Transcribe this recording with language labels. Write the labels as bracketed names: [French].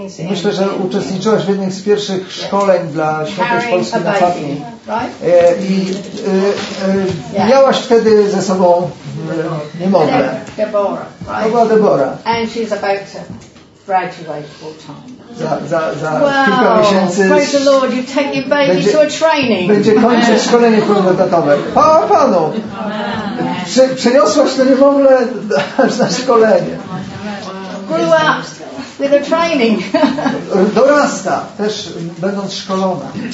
[Polish] Myślę, że uczestniczyłaś w jednej z pierwszych szkoleń dla świętej Polski na Fatmie. I miałaś wtedy ze sobą niemowlę. To była Debora. [English] And she's about to graduate full time. [Polish] Za kilka miesięcy. [English] Praise the Lord, you take your baby to a training. [Polish] Będzie kończyć szkolenie pełnoetatowe. Chwała Panu! Przeniosłaś to niemowlę aż na szkolenie. [English] Grew up with a training. [Polish] Dorasta, też będąc szkolona.